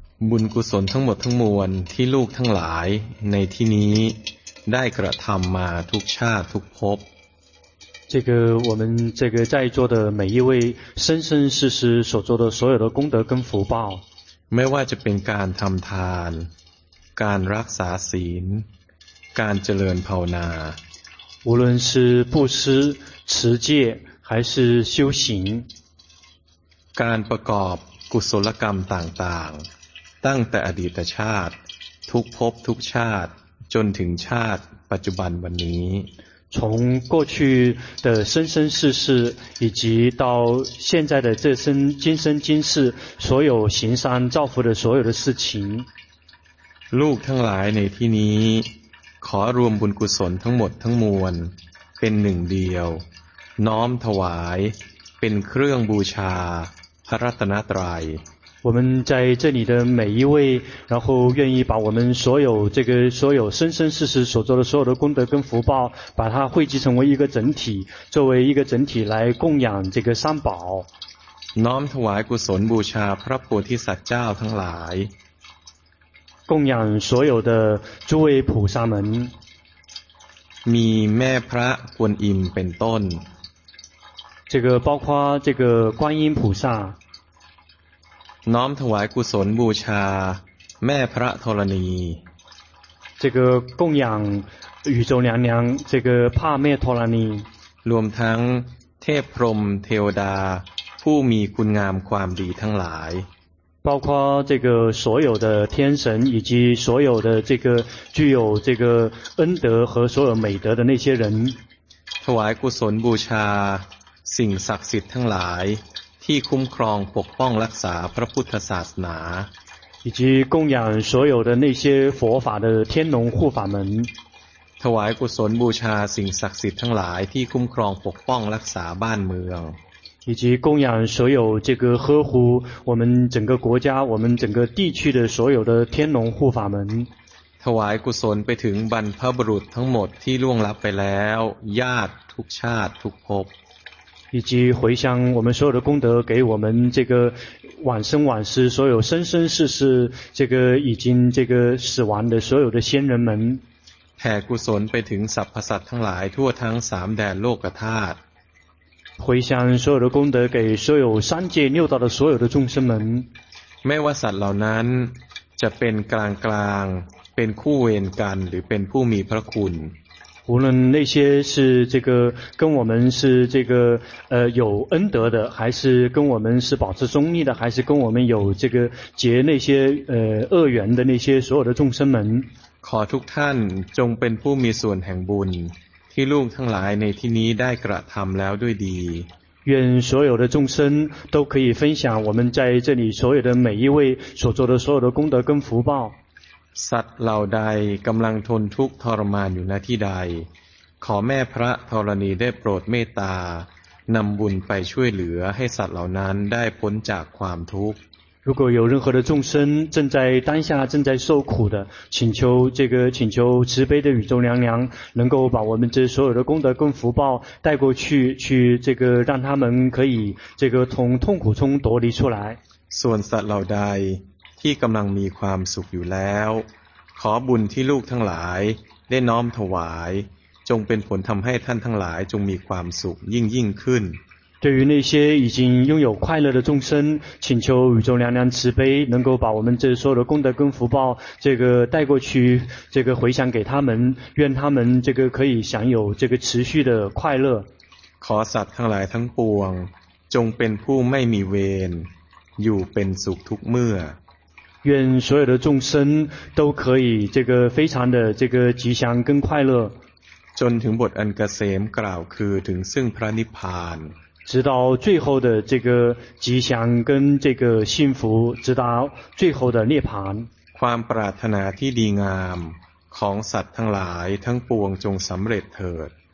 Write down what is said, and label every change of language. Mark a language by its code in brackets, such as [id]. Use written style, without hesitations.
[th] บุญกุศลทั้งหมดทั้งมวลที่ลูกทั้งหลายในที่นี้ได้กระทำมาทุกชาติทุกภพ [zh] 这个我们这个在座的每一位生生世世所做的所有的功德跟福报 [th] ไม่ว่าจะเป็นการทำทานการรักษาศีลการเจริญภาวนา [zh] 无论是布施持戒还是修行 [th] การประกอบกุศลกรรมต่างๆตั้งแต่อดีตชาติทุกภพทุกชาติจนถึงชาติปัจจุบันวันนี้ [zh] 从过去的生生世世以及到现在的这生今生今世所有行善造福的所有的事情 [th] ลูกทั้งหลายในที่นี้ขอรวมบุญกุศลทั้งหมดทั้งมวลเป็นหนึ่งเดียวน้อมถวายเป็นเครื่องบูชาพระรัตนตรัย [zh] 我们在这里的每一位然后愿意把我们所有这个所有生生世世所做的所有的功德跟福报把它汇集成为一个整体作为一个整体来供养这个三宝 [th] น้อมถวายกุศลบูชาพระโพธิสัตว์เจ้าทั้งหลาย [zh] 供养所有的诸位菩萨们米咩พระ观音本尊，这个包括这个观音菩萨， [th] น้อมถวายกุศลบูชาแม่พระธรณี， [zh] 这个供养宇宙娘娘这个帕妹陀罗尼， [th] รวมทั้งเทพพรหมเทวดาผู้มีคุณงามความดีทั้งหลาย， [zh] 包括这个所有的天神以及所有的这个具有这个恩德和所有美德的那些人， [th] ถวายกุศลบูชาสิ่งศักดิ์สิทธิ์ทั้งหลายที่คุ้มครองปกป้องรักษาพระพุทธศาสนา， [zh] 以及供养所有的那些佛法的天龙护法门， [th] ถวายกุศลบูชาสิ่งศักดิ์สิทธิ์ทั้งหลายที่คุ้มครองปกป้องรักษาบ้านเมือง， [zh] 以及供养所有这个呵护我们整个国家我们整个地区的所有的天龙护法门， [th] ถวายกุศลไปถึงบรรพบุรุษทั้งหมดที่ล่วงลับไปแล้วญาติทุกชาติทุกภพ， [zh] 以及回向我们所有的功德给我们这个往生往世所有生生世世这个已经这个死亡的所有的先人们， [th] แผ่กุศลไปถึงสรรพสัตว์ทั้งหลายทั่วทั้งสามแดนโลกธาตุ， [zh] 回向所有的功德给所有三界六道的所有的众生们， [th] ไม่ว่าสัตว์เหล่านั้นจะเป็นกลางกลางเป็นคู่เวรกันหรือเป็นผู้มีพระคุณ， [zh] 无论那些是这个跟我们是这个有恩德的，还是跟我们是保持中立的，还是跟我们有这个结那些恶缘的那些所有的众生们， [th] ขอทุกท่านจงเป็นผู้มีส่วนแห่งบุญที่ลูกทั้งหลายในที่นี้ได้กระทำแล้วด้วยดี， [zh] 愿所有的众生都可以分享我们在这里所有的每一位所做的所有的功德跟福报， [th] สัตว์เหล่าใดกำลังทนทุกข์ทรมานอยู่ณที่ใดขอแม่พระธรณีได้โปรดเมตตานำบุญไปช่วยเหลือให้สัตว์เหล่านั้นได้พ้นจากความทุกข์， [zh] 如果有任何的众生正在当下正在受苦的，请求这个请求慈悲的宇宙娘娘能够把我们这所有的功德跟福报带过去，去这个让他们可以这个从痛苦中夺离出来， [th] ส่วนสัตว์เหล่าใดที่กำลังมีความสุขอยู่แล้วขอบุญที่ลูกทั้งหลายได้น้อมถวายจงเป็นผลทำให้ท่านทั้งหลายจงมีความสุขยิ่งขึ้น， [zh] 对于那些已经拥有快乐的众生，请求宇宙娘娘慈悲能够把我们这所有的功德跟福报这个带过去，这个回向给他们，愿他们这个可以享有这个持续的快乐， [th] ขอสัตว์ทั้งหลายทั้งปวงจงเป็นผู้ไม่มีเวรอยู่เป็นสุขทุกเมื่อ， [zh] 愿所有的众生都可以这个非常的这个吉祥跟快乐， [th] จนถึงบทอันเกษมกล่าวคือถึงซึ่งพระนิพพาน， [zh] 直到最后的这个吉祥跟这个幸福，直到最后的涅槃， [th] ความปรารถนาที่ดีงามของสัตว์ทั้งหลายทั้งปวงจงสำเร็จเถิด，